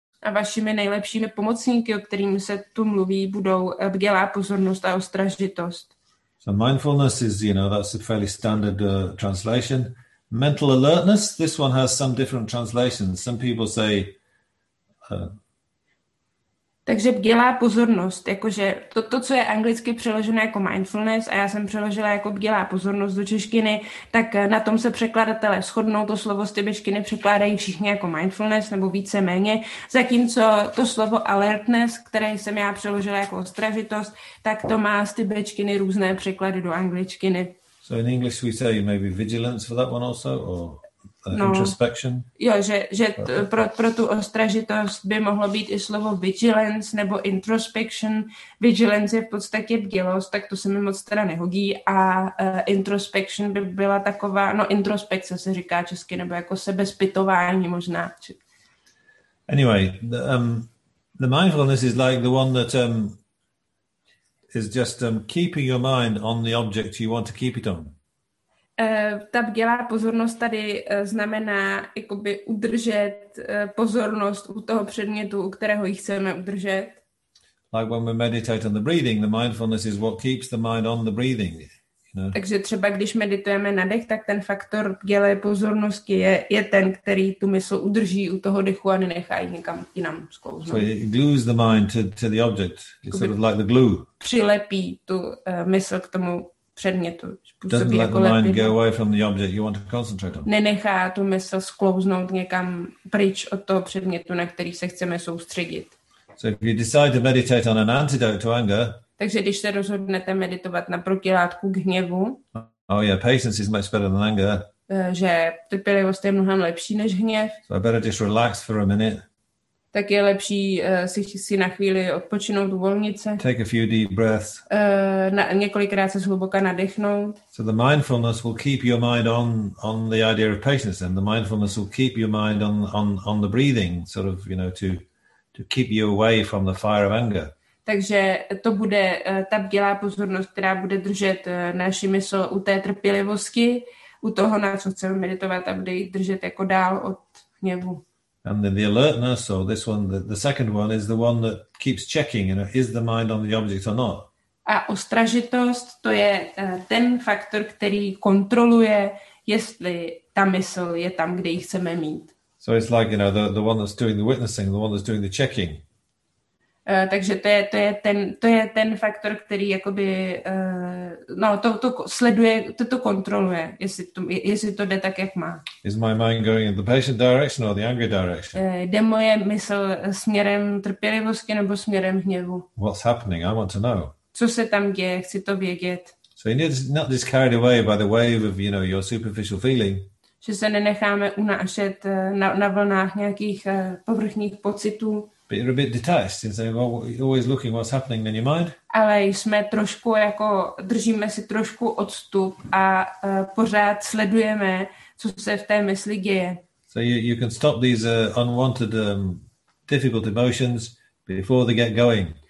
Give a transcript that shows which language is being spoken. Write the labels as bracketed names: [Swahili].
[Czech] A vašimi nejlepšími pomocníky, o kterými se tu mluví, budou bdělá pozornost a ostražitost. [English] So mindfulness is, you know, that's a fairly standard translation. Mental alertness, this one has some different translations. Some people say [Czech] takže bdělá pozornost, jakože to, co je anglicky přeloženo jako mindfulness a já jsem přeložila jako bdělá pozornost do češtiny, tak na tom se překladatelé shodnou, to slovo z češtiny překládají všichni jako mindfulness nebo více méně, zatímco to slovo alertness, které jsem já přeložila jako ostražitost, tak to má z češtiny různé překlady do angličtiny. [English] So in English we say maybe vigilance for that one also, or introspection. [Czech] Jo, že pro tu ostražitost by mohlo být i slovo vigilance nebo introspection. Vigilance je v podstatě bdělost, tak to se mi moc teda nehodí. A introspection by byla taková, no introspekce se říká česky, nebo jako sebezpytování možná. [English] Anyway, the mindfulness is like the one that is just keeping your mind on the object you want to keep it on. [Czech] Ta bdělá pozornost tady znamená jakoby udržet pozornost u toho předmětu, u kterého ji chceme udržet. [English] Like when we meditate on the breathing, the mindfulness is what keeps the mind on the breathing. [Czech] No. Takže třeba když meditujeme na dech, tak ten faktor bdělé pozornosti je ten, který tu mysl udrží u toho dechu a nenechá ji někam jinam sklouznout. [English] So it glues the mind to the object. It's sort of like the glue. [Czech] Přilepí tu mysl k tomu předmětu. [English] Doesn't let the mind go away from the object you want to concentrate on. [Czech] Nenechá tu mysl sklouznout někam pryč od toho předmětu, na který se chceme soustředit. [English] So if you decide to meditate on an antidote to anger, [Czech] takže když se rozhodnete meditovat na protilátku k hněvu, [English] oh yeah, patience is much better than anger. [Czech] Že trpělivost je mnohem lepší než hněv, [English] so I better just relax for a minute. [Czech] Tak je lepší si na chvíli odpočinout, uvolnit se. [English] Take a few deep breaths. [Czech] Několikrát se zhluboka nadechnout. [English] So the mindfulness will keep your mind on the idea of patience, and the mindfulness will keep your mind on the breathing, sort of, you know, to keep you away from the fire of anger. [Czech] Takže to bude ta bdělá pozornost, která bude držet naši mysl u té trpělivosti, u toho, na co chceme meditovat, a bude ji držet jako dál od hněvu. [English] And then the alertness, or this one, the second one, is the one that keeps checking, you know, is the mind on the object or not? [Czech] A ostražitost, to je ten faktor, který kontroluje, jestli ta mysl je tam, kde ji chceme mít. [English] So it's like, you know, the one that's doing the witnessing, the one that's doing the checking. [Czech] Takže to je ten faktor, který jakoby, no, to sleduje, to kontroluje, jestli to jde tak, jak má. [English] Is my mind going in the patient direction or the angry direction? [Czech] Jde moje mysl směrem trpělivosti nebo směrem hněvu? [English] What's happening? I want to know. [Czech] Co se tam děje? Chci to vědět. [English] So you need to not just carried away by the wave of, you know, your superficial feeling. [Czech] Že se nenecháme unášet na vlnách nějakých povrchních pocitů. [English] But you're a bit detached and say, well, you're always looking what's happening in your mind. [Czech] Ale jsme trošku jako držíme si trošku odstup a pořád sledujeme, co se v té mysli děje. [English] So you can stop these unwanted difficult emotions before they get going.